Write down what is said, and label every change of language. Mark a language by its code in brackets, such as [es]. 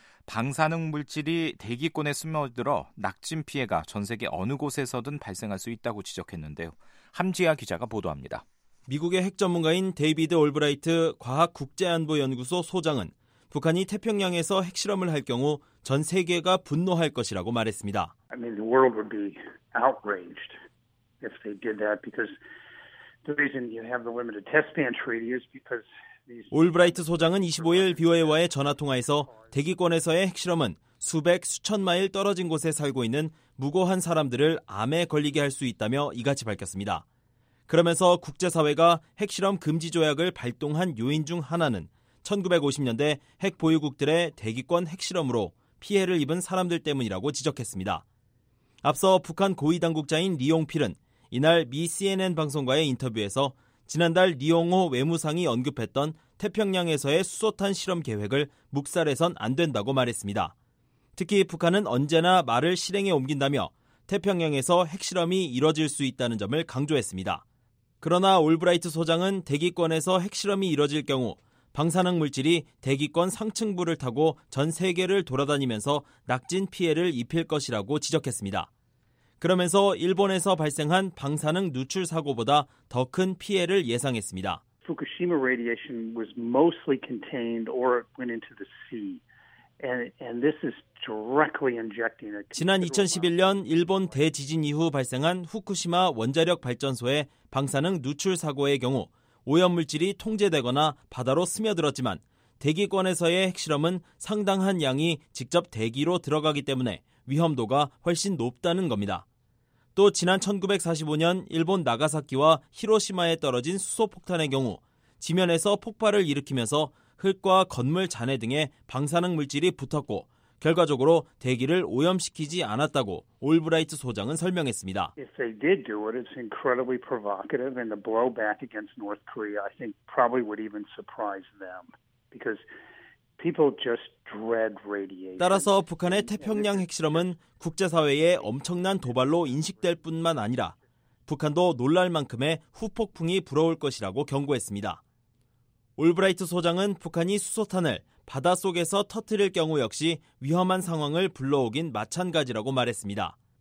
[ko] 방사능 물질이 대기권에 스며들어 낙진 피해가 전 세계 어느 곳에서든 발생할 수 있다고 지적했는데요. 함지아 기자가 보도합니다. 미국의 핵 전문가인 데이비드 올브라이트 과학국제안보연구소 소장은 북한이 태평양에서 핵실험을 할 경우 전 세계가 분노할 것이라고 말했습니다. [en] I mean, the world would be outraged if they did that because the reason you have the limited test ban treaty is because [ko] 올브라이트 소장은 25일 비오에와의 전화통화에서 대기권에서의 핵실험은 수백, 수천 마일 떨어진 곳에 살고 있는 무고한 사람들을 암에 걸리게 할 수 있다며 이같이 밝혔습니다. 그러면서 국제사회가 핵실험 금지 조약을 발동한 요인 중 하나는 1950년대 핵 보유국들의 대기권 핵실험으로 피해를 입은 사람들 때문이라고 지적했습니다. 앞서 북한 고위 당국자인 리용필은 이날 미 CNN 방송과의 인터뷰에서 지난달 리용호 외무상이 언급했던 태평양에서의 수소탄 실험 계획을 묵살해선 안 된다고 말했습니다. 특히 북한은 언제나 말을 실행에 옮긴다며 태평양에서 핵실험이 이뤄질 수 있다는 점을 강조했습니다. 그러나 올브라이트 소장은 대기권에서 핵실험이 이뤄질 경우 방사능 물질이 대기권 상층부를 타고 전 세계를 돌아다니면서 낙진 피해를 입힐 것이라고 지적했습니다. 그러면서 일본에서 발생한 방사능 누출 사고보다 더 큰 피해를 예상했습니다. [en] 후쿠시마 radiation was mostly contained or went into the sea. And this is directly injecting it. [ko] 지난 2011년 일본 대지진 이후 발생한 후쿠시마 원자력 발전소의 방사능 누출 사고의 경우 오염 물질이 통제되거나 바다로 스며들었지만 대기권에서의 핵실험은 상당한 양이 직접 대기로 들어가기 때문에 위험도가 훨씬 높다는 겁니다. 또 지난 1945년 일본 나가사키와 히로시마에 떨어진 수소폭탄의 경우 지면에서 폭발을 일으키면서 흙과 건물 잔해 등에 방사능 물질이 붙었고 결과적으로 대기를 오염시키지 않았다고 올브라이트 소장은 설명했습니다. [en] If they did do it, it's incredibly provocative and the blowback against North Korea I think probably would even surprise them because people just dread radiation. [ko] 따라서 북한의 태평양 핵실험은 국제사회에 엄청난 도발로 인식될 뿐만 아니라 북한도 놀랄 만큼의 후폭풍이 불어올 것이라고 경고했습니다. 올브라이트 소장은 북한이 수소탄을 바닷속에서 터뜨릴 경우 역시 위험한 상황을 불러오긴 마찬가지라고 말했습니다.